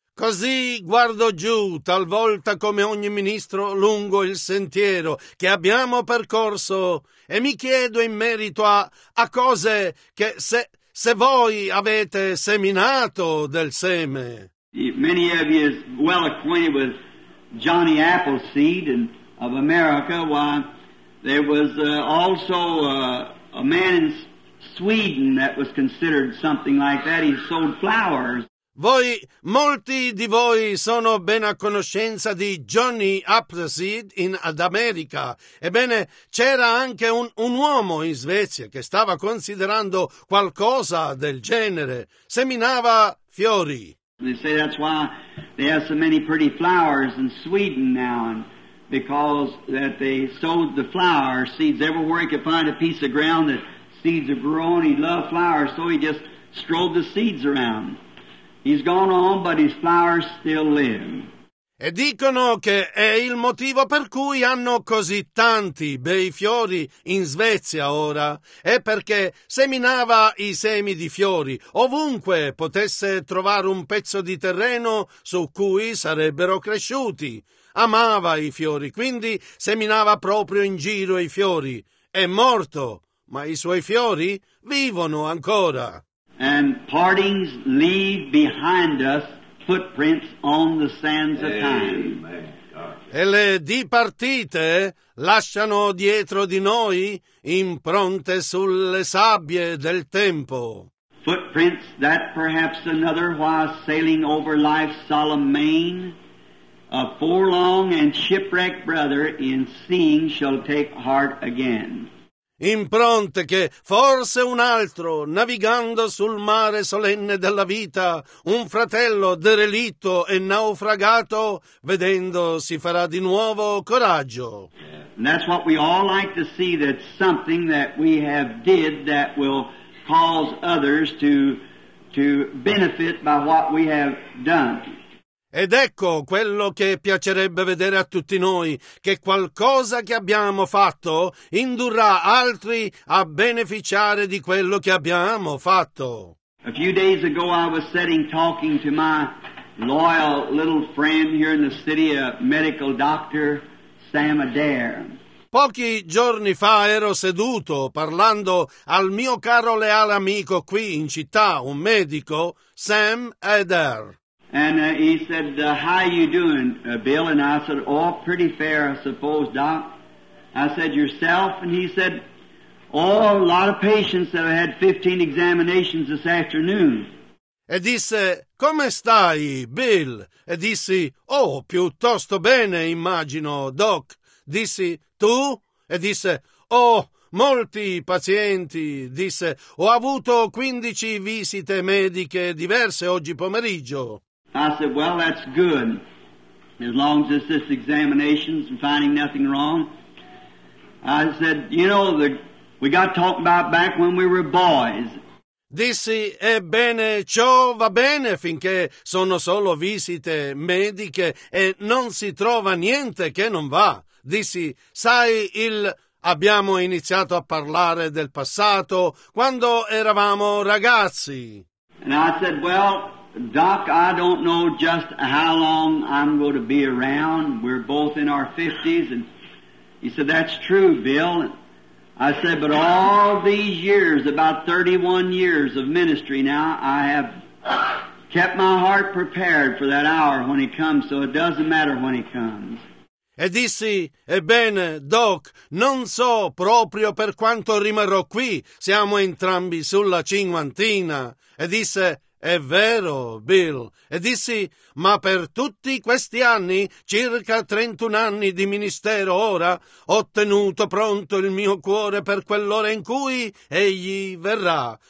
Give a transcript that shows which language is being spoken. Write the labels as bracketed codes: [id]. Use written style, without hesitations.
[it] Così guardo giù, talvolta come ogni ministro, lungo il sentiero che abbiamo percorso, e mi chiedo in merito a cose che se voi avete seminato del seme. [en] Many of you is well acquainted with Johnny Appleseed and of America. Why, there was also a man in Sweden that was considered something like that. He sold flowers. [it] Voi, molti di voi sono ben a conoscenza di Johnny Appleseed ad America. Ebbene, c'era anche un uomo in Svezia che stava considerando qualcosa del genere. Seminava fiori. [en] They say that's why they have so many pretty flowers in Sweden now, and because that they sowed the flower seeds everywhere he could find a piece of ground that seeds are growing. He loved flowers, so he just strode the seeds around. He's gone on, but his flowers still live. [it] E dicono che è il motivo per cui hanno così tanti bei fiori in Svezia ora. È perché seminava i semi di fiori ovunque potesse trovare un pezzo di terreno su cui sarebbero cresciuti. Amava i fiori, quindi seminava proprio in giro i fiori. È morto, ma i suoi fiori vivono ancora. [en] And partings leave behind us footprints on the sands of time. [it] E le dipartite lasciano dietro di noi impronte sulle sabbie del tempo. [en] Footprints that perhaps another while sailing over life's solemn main, a forlorn and shipwrecked brother in seeing shall take heart again. [it] Impronte che forse un altro, navigando sul mare solenne della vita, un fratello derelitto e naufragato, vedendo si farà di nuovo coraggio. [en] And that's what we all like to see, that something that we have did that will cause others to benefit by what we have done. [it] Ed ecco quello che piacerebbe vedere a tutti noi, che qualcosa che abbiamo fatto indurrà altri a beneficiare di quello che abbiamo fatto. [en] A few days ago I was sitting talking to my loyal little friend here in the city, a medical doctor, Sam Adair. [it] Pochi giorni fa ero seduto parlando al mio caro leale amico qui in città, un medico, Sam Adair. [en] And he said, how are you doing, Bill? And I said, oh, pretty fair, I suppose, Doc. I said, yourself? And he said, oh, a lot of patients that have had 15 examinations this afternoon. [it] E disse, come stai, Bill? E dissi, oh, piuttosto bene, immagino, Doc. Dissi, tu? E disse, oh, molti pazienti. Disse, ho avuto 15 visite mediche diverse oggi pomeriggio. [en] I said, well, that's good, as long as it's this examination and finding nothing wrong. I said, you know, we got talked about back when we were boys. [it] Dissi, ebbene, ciò va bene finché sono solo visite mediche e non si trova niente che non va. Dissi, sai, abbiamo iniziato a parlare del passato quando eravamo ragazzi. [en] And I said, well, Doc, I don't know just how long I'm going to be around. We're both in our 50s. And he said, that's true, Bill. And I said, but all these years, about 31 years of ministry now, I have kept my heart prepared for that hour when he comes, so it doesn't matter when he comes. [it] E dissi, ebbene, Doc, non so proprio per quanto rimarrò qui. Siamo entrambi sulla cinquantina. E disse, è vero, Bill. E dissi, ma per tutti questi anni, circa 31 anni di ministero ora, ho tenuto pronto il mio cuore per quell'ora in cui egli verrà.